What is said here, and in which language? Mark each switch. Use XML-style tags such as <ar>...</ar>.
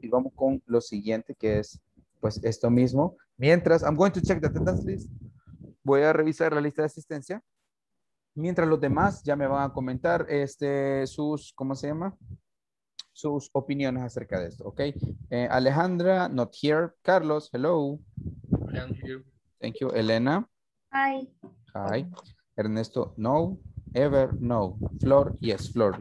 <es>Y vamos con lo siguiente, que es pues esto mismo.</es> <en>Mientras, I'm going to check the attendance list.</en> <es>Voy a revisar la lista de asistencia. Mientras los demás ya me van a comentar sus, ¿cómo se llama? Sus opiniones acerca de esto, ¿ok? Alejandra,</es> <en>not here.</en> <es>Carlos, hello.</es> <en>I am here. Thank you. Elena. Hi. Hi. Ernesto, no. Ever, no. Flor, yes, Flor.</en>